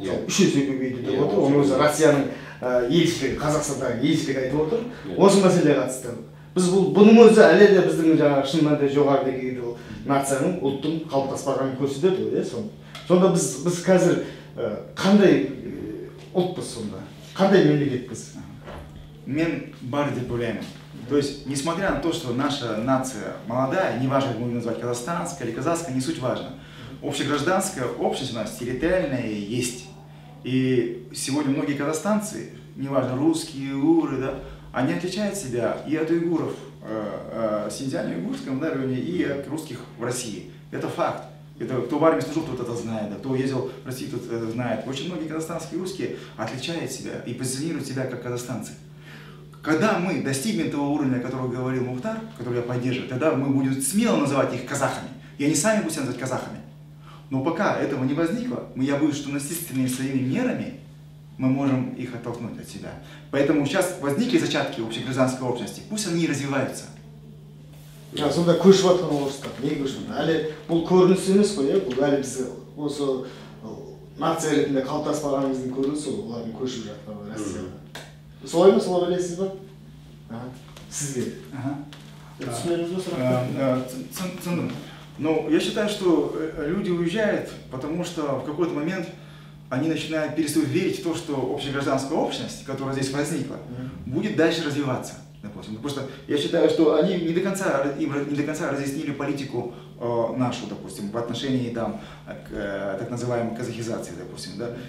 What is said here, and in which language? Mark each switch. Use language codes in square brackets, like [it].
[kk] Үш есе көбейді деп отыр, оның өзі Россияның елшілігі, Қазақстандағы елшілігі айтып отыр. Осы мәселеге қатысты. Біз бұның өзі әлі де біздің жаңағы шын мәнінде жоғары деңгейде ол нацияның ұлттың қалыптаспағанын көрсетеді ғой, иә. Сонда біз қазір қандай ұлтпыз, сонда қандай мемлекетпіз? Мен бар деп ойлаймын. [ru] То есть несмотря на то, что наша нация молодая, неважно, как будем называть, казахстанская или казахская, не суть важно, общегражданская общность у нас территориальная есть. И сегодня многие казахстанцы, неважно, русские, уры, да, они отличают себя и от уйгуров в Синьцзяне, уйгурском, да, районе, и от русских в России. Это факт. Это, кто в армии служил, тот это знает, да, кто ездил в Россию, тот это знает. Очень многие казахстанские русские отличают себя и позиционируют себя как казахстанцы. Когда мы достигнем того уровня, о котором говорил Мухтар, который я поддерживаю, тогда мы будем смело называть их казахами. И они сами будут себя называть казахами. Но пока этого не возникло, я боюсь, что насильственными своими мерами мы можем их оттолкнуть от себя. Поэтому сейчас возникли зачатки общегражданской общности, пусть они и развиваются. [kk] А сонда көшіп жатқан орыстар, не көшіп жатқан? Әлі бұл көрініс емес қой, бұл әлі біз осы нация ретінде қалыптаспағанымыздың көрінісі, олардың көшіп жатқаны Россияға. Солай ма, солай білесіз ба? Сізге. Цендым. [ru] Но я считаю, что люди уезжают, потому что в какой-то момент они начинают перестают верить в то, что общегражданская общность, которая здесь возникла, будет дальше развиваться. Допустим. Потому что я считаю, что они не до конца, им не до конца разъяснили политику нашу, допустим, по отношению там, к так называемой казахизации, допустим. Да?